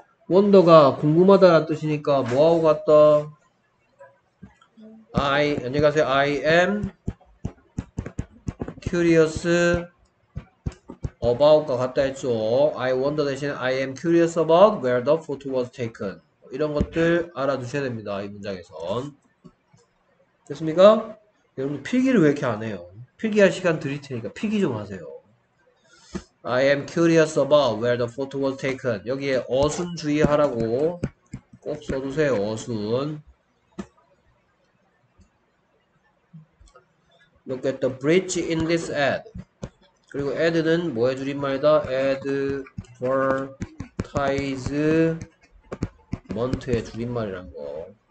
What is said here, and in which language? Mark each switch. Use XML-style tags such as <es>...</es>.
<ko>wonder가 궁금하다라는 뜻이니까 뭐하고 같다? 안녕하세요.</ko> <en>I am curious about가</en> <ko>같다 했죠.</ko> <en>I wonder 대신 I am curious about where the photo was taken.</en> <ko>이런 것들 알아두셔야 됩니다. 이 문장에선. 됐습니까? 여러분 필기를 왜 이렇게 안 해요? 필기할 시간 드릴 테니까 필기 좀 하세요.</ko> <en>I am curious about where the photo was taken.</en> <ko>여기에 어순 주의하라고 꼭 써두세요. 어순.</ko> <en>Look at the bridge in this ad.</en> <ko>그리고 ad는 뭐의 줄임말이다? advertisement의 줄임말이란 거.</ko>